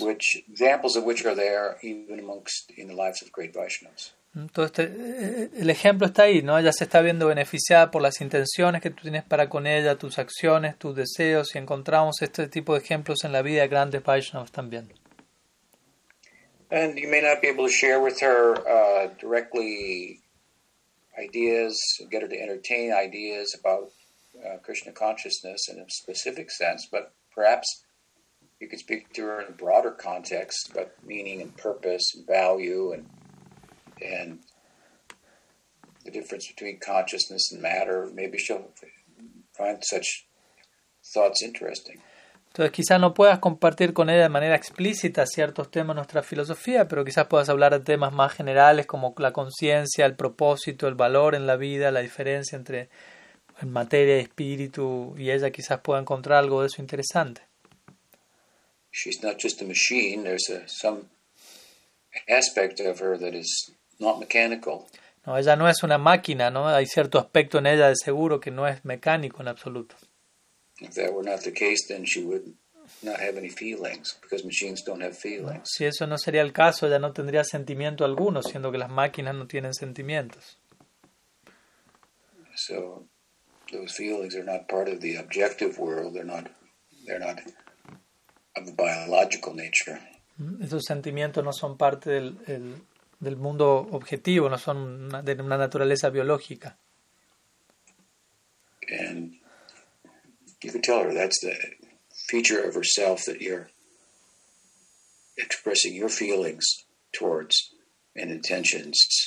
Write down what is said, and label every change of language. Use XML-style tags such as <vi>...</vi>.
<en>which examples of which are there even amongst in the lives of great Vaishnavas.</en> <es>Entonces, el ejemplo está ahí, ¿no? Ella se está viendo beneficiada por las intenciones que tú tienes para con ella, tus acciones, tus deseos, y encontramos este tipo de ejemplos en la vida de grandes Vaishnavas también.</es> <en>And you may not be able to share with her directly ideas, get her to entertain ideas about Krishna consciousness in a specific sense, but perhaps you could speak to her in a broader context about meaning and purpose and value and the difference between consciousness and matter. Maybe she'll find such thoughts interesting.</en> <es>Entonces quizás no puedas compartir con ella de manera explícita ciertos temas de nuestra filosofía, pero quizás puedas hablar de temas más generales como la conciencia, el propósito, el valor en la vida, la diferencia entre en materia y espíritu, y ella quizás pueda encontrar algo de eso interesante.</es> <en>She's not just a machine, there's some aspect of her that is not mechanical.</en> <es>No, ella no es una máquina, ¿no? Hay cierto aspecto en ella de seguro que no es mecánico en absoluto.</es> <en>If that were not the case, then she would not have any feelings, because machines don't have feelings.</en> <es>Si eso no sería el caso, ella no tendría sentimiento alguno, siendo que las máquinas no tienen sentimientos.</es> <en>So, those feelings are not part of the objective world. They're not of a biological nature.</en> <es>Esos sentimientos no son parte del mundo objetivo, no son de una naturaleza biológica.</es> <en>And you can tell her that's the feature of herself that you're expressing your feelings towards and intentions.</en>